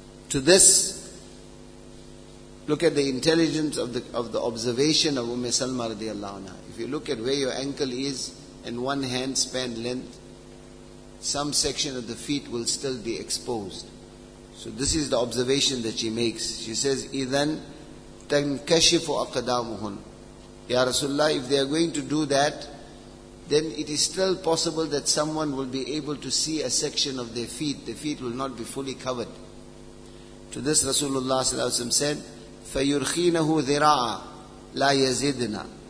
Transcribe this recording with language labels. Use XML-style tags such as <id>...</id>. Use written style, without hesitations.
<en>To this, look at the intelligence of the observation of Umm Salma radiallahu anha. If you look at where your ankle is and one hand span length, some section of the feet will still be exposed. So this is the observation that she makes. She says,</en> <ar>إِذَنْ تَنْكَشِفُ أَقْدَامُهُنْ.</ar> <en>Ya Rasulullah, if they are going to do that, then it is still possible that someone will be able to see a section of their feet. The feet will not be fully covered. To this Rasulullah sallallahu alaihi wasallam said,</en> <ar>فَيُرْخِينَهُ ذِرَاعًا لَا يَزِدْنَا.</ar>